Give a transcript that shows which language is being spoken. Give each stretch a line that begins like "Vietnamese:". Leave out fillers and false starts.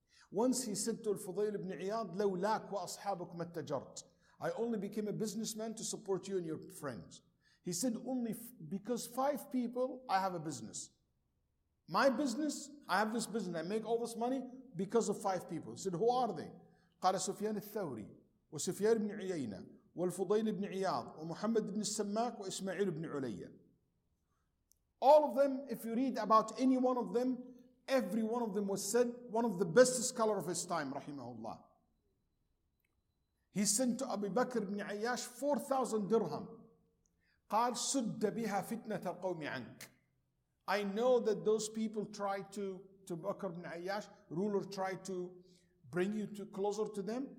English: Once he said to Al-Fudayl ibn Iyad,
Arabic: لَوْ لَاكْ وَأَصْحَابُكْ مَتَّجَرْتِ
English: I only became a businessman to support you and your friends. He said, only because five people, I have a business. My business, I have this business. I make all this money because of five people. He said, who are they?
Arabic: قال سفيان الثوري وسفيان بن عيينة والفضيل بن عياض ومحمد بن السماك وإسماعيل بن عليا.
English: All of them, if you read about any one of them, every one of them was said one of the best scholar of his time, rahimahullah. He sent to Abu Bakr ibn Ayyash 4,000 dirham.
Arabic: قال سد بها فتنة القوم عنك.
English: I know that those people tried to Bakr ibn Ayyash, ruler tried to bring you to closer to them.